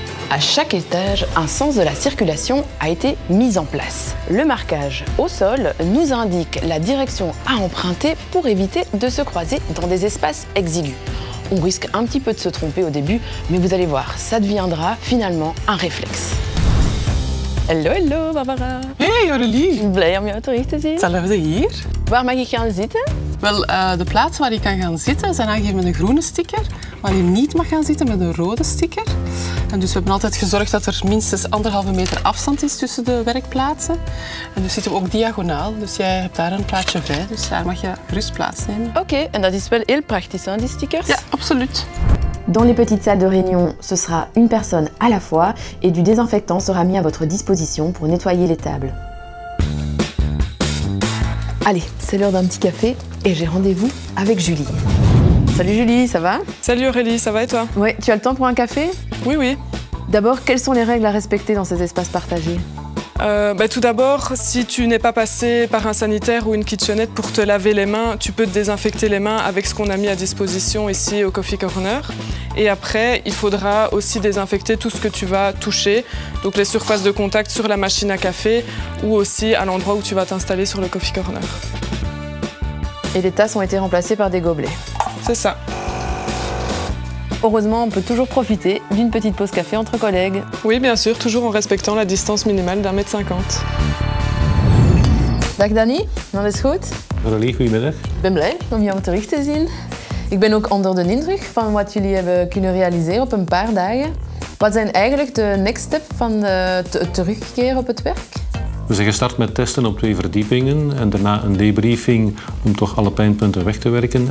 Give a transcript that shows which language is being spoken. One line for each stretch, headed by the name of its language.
French: À chaque étage, un sens de la circulation a été mis en place. Le marquage au sol nous indique la direction à emprunter pour éviter de se croiser dans des espaces exigus. On risque un petit peu de se tromper au début, mais vous allez voir, ça deviendra finalement un réflexe.
English: Hello, hello, Barbara. Hey, Aurélie.
Dutch: Blij om jou terug te zien. Zullen we hier? Waar mag ik gaan zitten? Wel, de plaats waar ik kan gaan zitten is aangegeven met een groene sticker. Waar je niet mag gaan zitten met een rode sticker. En dus we hebben altijd gezorgd dat er minstens 1,5 meter afstand is tussen de werkplaatsen. En dus zitten we ook diagonaal. Dus jij hebt daar een plaatje vrij. Dus daar mag je gerust plaatsnemen. Oké, en dat is wel heel praktisch, hein, die stickers. Ja, absoluut.
French: Dans les petites salles de réunion, ce sera une personne à la fois et du désinfectant sera mis à votre disposition pour nettoyer les tables. Allez, c'est l'heure d'un petit café et j'ai rendez-vous avec Julie. Salut Julie, ça va? Salut Aurélie, ça va et toi? Oui, tu as le temps pour un café? Oui, oui. D'abord, quelles sont les règles à respecter dans ces espaces partagés? Tout d'abord, si tu n'es pas passé par un sanitaire ou une kitchenette pour te laver les mains, tu peux te désinfecter les mains avec ce qu'on a mis à disposition ici au Coffee Corner. Et après, il faudra aussi désinfecter tout ce que tu vas toucher, donc les surfaces de contact sur la machine à café ou aussi à l'endroit où tu vas t'installer sur le Coffee Corner. Et les tasses ont été remplacées par des gobelets. C'est ça. Heureusement, on peut toujours profiter d'une petite pause café entre collègues. Oui, bien sûr, toujours en respectant la distance minimale d'1,50 m.
Dutch: Dag Dani, dat is goed. Rolly, goedemiddag. Ik ben blij om jou terug te zien. Ik ben ook onder de indruk van wat jullie hebben kunnen realiseren op een paar dagen. Wat zijn eigenlijk de
English: next step
Dutch: van het terugkeren op het werk? We zijn gestart met testen op 2 verdiepingen en daarna een debriefing om toch alle pijnpunten weg te werken.